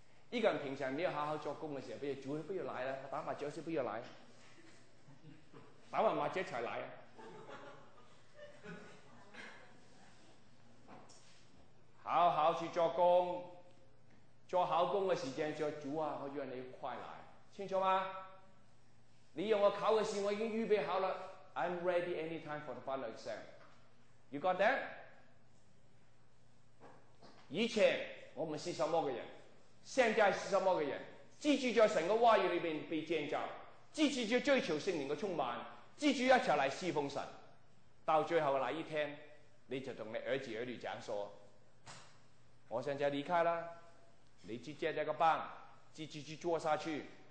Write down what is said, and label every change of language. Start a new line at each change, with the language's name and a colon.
Chinese: 一个人平常没有好好做工的时候，主不要来了，打麻将时不要来，打完麻将才来。好好去做工，做好工的时间，说主啊，我愿你快来，清楚吗？你要我考的时候，我已经预备好了。
English: I'm ready anytime for the final exam. You got that?
Chinese: 以前我们是什么个人，现在是什么个人？继续在神的话语里面被建造，继续在追求圣灵的充满，继续一起来侍奉神。到最后那一天，你就同你儿子儿女讲说，我现在离开了，你去接这个班，继续去做下去。